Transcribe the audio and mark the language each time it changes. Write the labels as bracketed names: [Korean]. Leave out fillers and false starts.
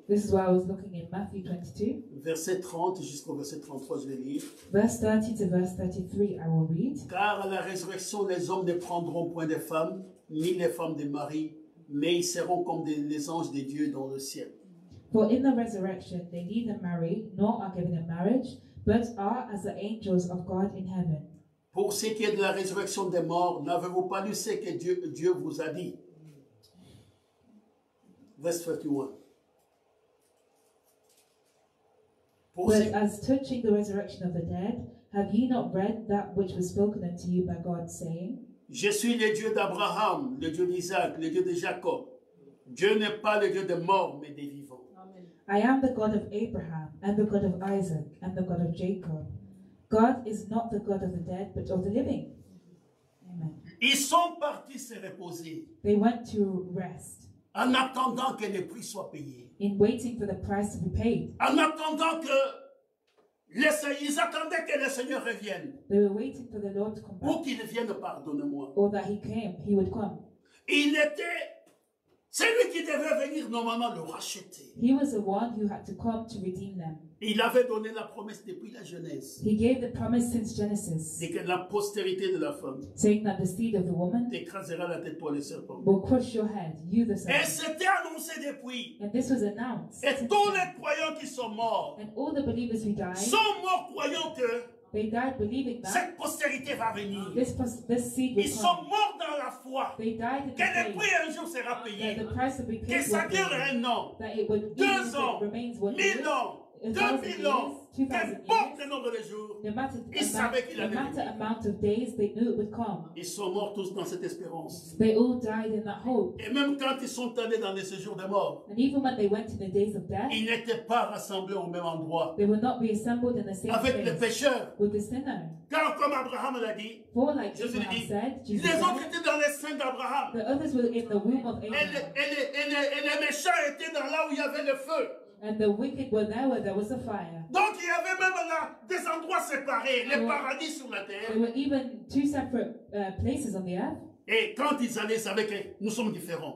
[English] this is why I was looking in Matthew 22. [French] Verset 30 jusqu'au verset 33, je vais lire. [English] Verse 30 to verse 33, I will read. [French] Car à la résurrection, les hommes ne prendront point de femmes, ni les femmes de mari, mais ils seront comme les anges des dieux dans le ciel. [English] For in the resurrection, they neither marry, nor are given in marriage, but are as the angels of God in heaven. [French] Pour ce qui est de la résurrection des morts, n'avez-vous pas lu ce que Dieu vous a dit? [English] Verse 31. But as touching the resurrection of the dead, have ye not read that which was spoken unto you by God, saying, [French] Je suis le Dieu d'Abraham, le Dieu d'Isaac, le Dieu de Jacob. Dieu n'est pas le Dieu des morts, mais des vivants. Amen. [English] I am the God of Abraham, and the God of Isaac, and the God of Jacob. God is not the God of the dead, but of the living. Amen. [French] Ils sont partis se reposer. [English] They went to rest. [French] En attendant que le prix soit payé. [English] In waiting for the price to be paid. [French] En attendant que le Seigneur, ils attendaient que le Seigneur revienne. [English] They were waiting for the Lord to come back. [French] Ou qu'il vienne, pardonne-moi. [English] Or that he came, he would come. [French] Il était celui qui devait venir normalement le racheter. [English] He was the one who had to come to redeem them. [French] Il avait donné la promesse depuis la Genèse. [English] He gave the promise since Genesis. [French] Et que la postérité de la femme. [English] Saying that the seed of the woman. [French] Écrasera la tête pour le serpent. [English] Will crush your head, you the serpent. [French] Et c'était annoncé depuis. [English] And this was announced. [French] Et tous les croyants qui sont morts. [English] And all the believers who died. [French] Sont morts croyant que. [English] They died believing that [French] cette postérité va venir. [English] This seed will [French] ils [English] come. [French] Sont morts dans la foi. [English] They died in [French] que [English] the [French] prix un jour sera payé. [English] The price will be paid. [French] Que ça dure un an. [English] That it would [French] deux ans. [English] That remains [French] 1000 ans. 2000 ans. Qu'importe le nombre de jours. [English] No matter, [French] ils savaient qu'il allait venir. [English] No matter amount of days, they knew it would come. [French] Ils sont morts tous dans cette espérance. [English] They all died in that hope. [French] Et même quand ils sont allés dans les séjours de mort. [English] And even when they went to the days of death. [French] Ils n'étaient pas rassemblés au même endroit. [English] They would not be assembled in the same [French] avec [English] place. [French] Avec les pécheurs. [English] With the sinners. [French] Car comme Abraham l'a dit. [English] For like Jesus Abraham dit, said. Jesus [French] les autres étaient dans les seins d'Abraham. [English] The others were in the womb of Abraham. [French] Et les méchants étaient dans là où il y avait le feu. [English] And the wicked were there where there was a fire. [French] Donc il y avait même là des endroits séparés, les paradis sur la terre. [English] There were even two separate places on the earth. [French] Et quand ils allaient, ils savaient que nous sommes différents.